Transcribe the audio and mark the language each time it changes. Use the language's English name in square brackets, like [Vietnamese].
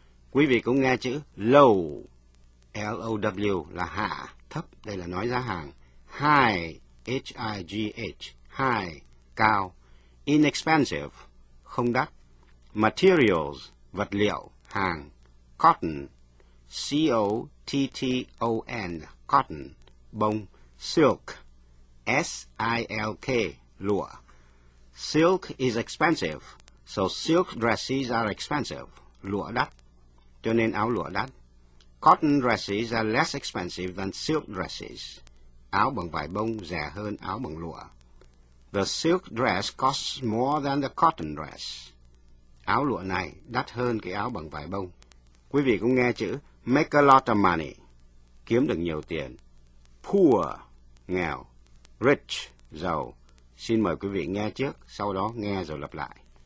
[Vietnamese] Quý vị cũng nghe chữ low, L-O-W là hạ, thấp, đây là nói giá hàng. [English] High, H-I-G-H, high, cao. [Vietnamese] Inexpensive, không đắt. Materials, vật liệu, hàng. [English] Cotton, C-O-T-T-O-N, cotton, bông. Silk, S-I-L-K, lụa. Silk is expensive, so silk dresses are expensive, [Vietnamese] lụa đắt, cho nên áo lụa đắt. [English] Cotton dresses are less expensive than silk dresses. [Vietnamese] Áo bằng vải bông rẻ hơn áo bằng lụa. [English] The silk dress costs more than the cotton dress. [Vietnamese] Áo lụa này đắt hơn cái áo bằng vải bông. Quý vị cũng nghe chữ [English] make a lot of money, [Vietnamese] kiếm được nhiều tiền. Poor, nghèo. Rich, giàu. Xin mời quý vị nghe trước, sau đó nghe rồi lặp lại.